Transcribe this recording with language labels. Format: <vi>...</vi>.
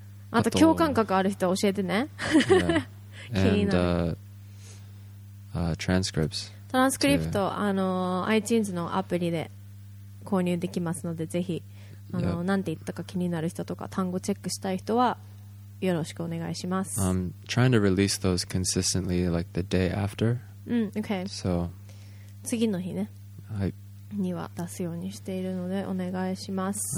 <ja>あと共感覚ある人教えてね。</ja> <en>yeah. And transcripts.</en> <ja>Transcript、iTunes のアプリで購入できますので、ぜひ、yep. なんて言ったか気になる人とか単語チェックしたい人は。よろしくお願いします。</ja> <en>I'm trying to release those consistently like the day after. Okay. So,</en> <ja>次の日ね。はい。には出すようにしているのでお願いします。</ja>